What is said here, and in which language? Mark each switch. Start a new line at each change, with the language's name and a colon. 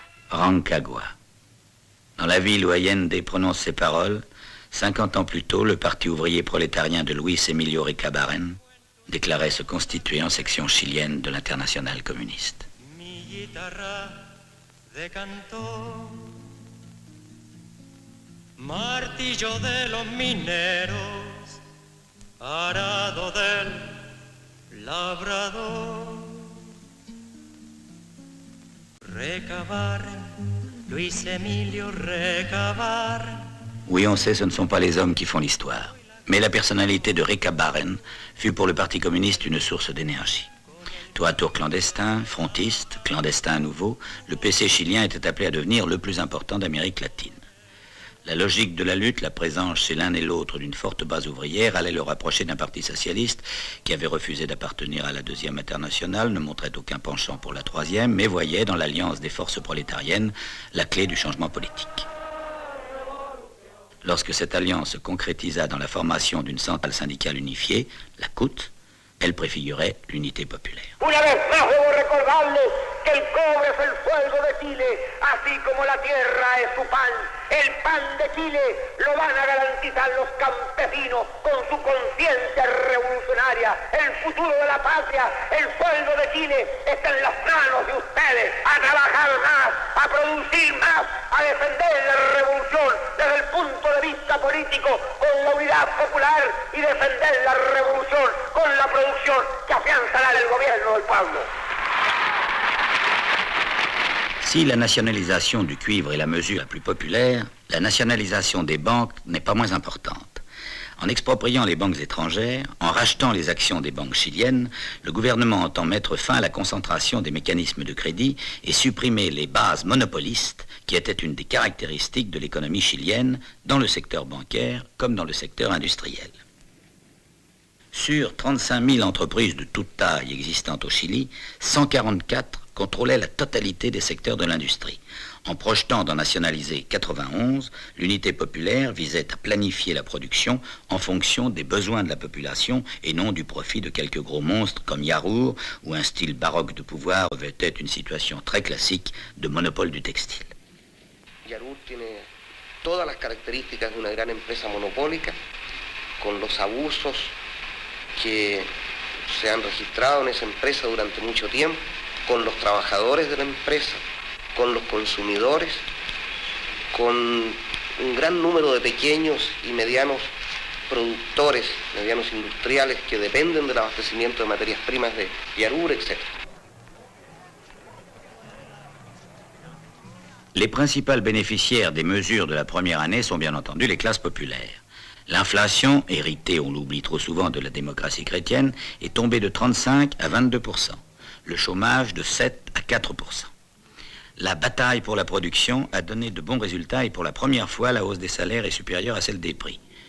French: Rancagua. Dans la ville où Allende prononce ces paroles, 50 ans plus tôt, le parti ouvrier prolétarien de Luis Emilio Recabarren déclarait se constituer en section chilienne de l'Internationale communiste.
Spanish: Mi guitarra de canto, martillo de los mineros, arado del labrador, Recabarren. Luis Emilio Recabarren.
French: Oui, on sait, ce ne sont pas les hommes qui font l'histoire. Mais la personnalité de Recabarren fut pour le Parti communiste une source d'énergie. Tour à tour clandestin, frontiste, clandestin à nouveau, le PC chilien était appelé à devenir le plus important d'Amérique latine. La logique de la lutte, la présence chez l'un et l'autre d'une forte base ouvrière, allait le rapprocher d'un parti socialiste qui avait refusé d'appartenir à la deuxième internationale, ne montrait aucun penchant pour la troisième, mais voyait dans l'alliance des forces prolétariennes la clé du changement politique. Lorsque cette alliance se concrétisa dans la formation d'une centrale syndicale unifiée, la CUT, elle préfigurait l'unité populaire.
Spanish: Una vez más debo recordarles que el cobre es el fuego de Chile, así como la tierra es su pan. El pan de Chile lo van a garantizar los campesinos con su conciencia revolucionaria. El futuro de la patria, el fuego de Chile, está en las manos de ustedes. A trabajar más, a producir más, a defender la revolución desde el punto de vista político con la unidad popular y defender la revolución con la producción que afianzará el gobierno del pueblo.
French: Si la nationalisation du cuivre est la mesure la plus populaire, la nationalisation des banques n'est pas moins importante. En expropriant les banques étrangères, en rachetant les actions des banques chiliennes, le gouvernement entend mettre fin à la concentration des mécanismes de crédit et supprimer les bases monopolistes qui étaient une des caractéristiques de l'économie chilienne dans le secteur bancaire comme dans le secteur industriel. Sur 35 000 entreprises de toute taille existantes au Chili, 144 contrôlait la totalité des secteurs de l'industrie. En projetant d'en nationaliser 91, l'unité populaire visait à planifier la production en fonction des besoins de la population et non du profit de quelques gros monstres comme Yarur, où un style baroque de pouvoir revêtait une situation très classique de monopole du textile.
Spanish: Yarur tiene todas las características de una gran empresa monopólica, con los abusos que se han registrado en esa empresa durante mucho tiempo. Con los trabajadores de la empresa, con los consumidores, con un gran número de pequeños y medianos productores, medianos industriales que dependen del abastecimiento de materias primas de Yarur, etc.
French: Les principales bénéficiaires des mesures de la première année sont bien entendu les classes populaires. L'inflation, héritée, on l'oublie trop souvent, de la démocratie chrétienne, est tombée de 35 à 22%. Le chômage de 7 à 4%. La bataille pour la production a donné de bons résultats et pour la première fois, la hausse des salaires est supérieure à celle des prix.